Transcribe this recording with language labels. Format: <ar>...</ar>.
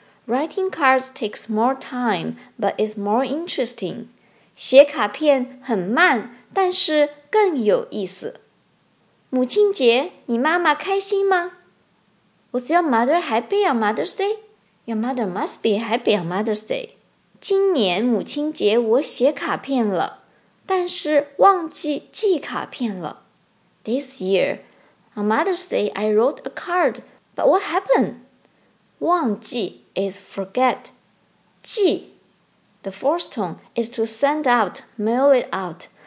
<en>Writing cards takes more time, but is more interesting.</en> <zh>写卡片很慢,但是更有意思。母亲节,你妈妈开心吗?</zh> <en>Was your mother happy on Mother's Day? Your mother must be happy on Mother's Day.</en> <zh>今年母亲节我写卡片了,但是忘记寄卡片了。</zh> <en>This year, on Mother's Day, I wrote a card, but what happened? 忘记 is forget. 寄 The fourth tone is to send out, mail it out.</en>